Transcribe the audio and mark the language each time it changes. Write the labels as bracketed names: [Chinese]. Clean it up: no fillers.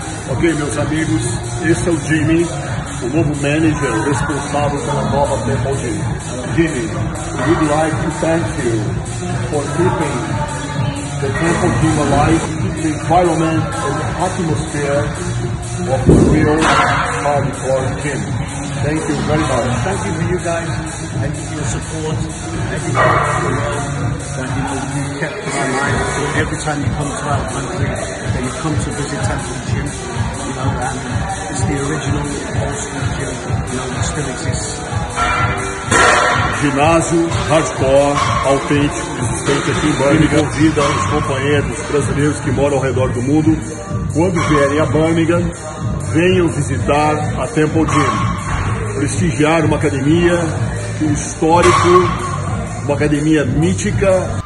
[Portuguese] Ok, meus amigos, esse é o Jimmy, o novo manager responsável pela nova Temple Gym. [English] Jimmy, we'd like to thank you for keeping the Temple Gym alive, the environment and the atmosphere of the real hardcore gym. Thank you very much. Thank you for you guys and for your support. Thank you for the world. Thank you for you kept this alive. So every time you come to our country, then you come to visit Temple Gym. And it's the original Austin gym, you know, it still exists. [Portuguese] Ginásio hardcore, autêntico, existente aqui em Birmingham. Convida os companheiros brasileiros que moram ao redor do mundo, quando vierem a Birmingham, venham visitar a Temple Gym. Prestigiar uma academia, um histórico, uma academia mítica.